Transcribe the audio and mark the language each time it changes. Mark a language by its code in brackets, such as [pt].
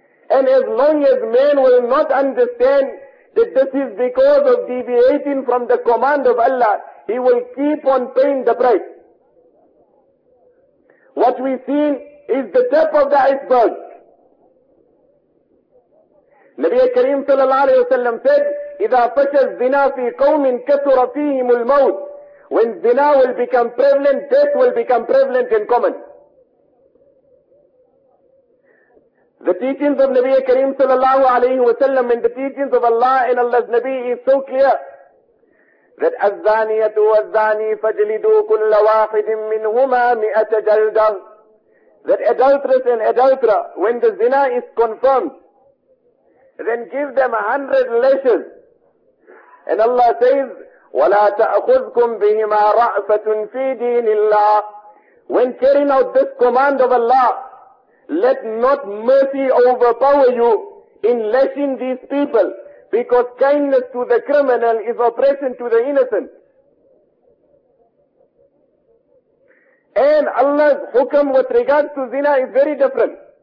[en] And as long as men will not understand that this is because of deviating from the command of Allah, he will keep on paying the price. What we've seen is the tip of the iceberg. Nabi Kareem sallallahu alayhi wa sallam said, [ar] إِذَا فَشَ الزِّنَا فِي قَوْمٍ كَثُرَ فِيهِمُ الْمَوْتِ. [en] When zina will become prevalent, death will become prevalent and common. The teachings of Nabi Kareem sallallahu alayhi wa sallam and the teachings of Allah and Allah's Nabi is so clear that [ar] الزَّانِيَةُ وَالزَّانِي فَجْلِدُوا كُلَّ وَاحِدٍ مِّنْهُمَا مِئَةَ جَلْدَةٍ. [en] That adulteress and adulterer, when the zina is confirmed, then give them 100 lashes. And Allah says, [ar] وَلَا تَأْخُذْكُمْ بِهِمَا رَأْفَةٌ فِي دِينِ اللَّهِ. [en] When carrying out this command of Allah, let not mercy overpower you in lashing these people, because kindness to the criminal is oppression to the innocent. And Allah's hukam with regards to zina is very different.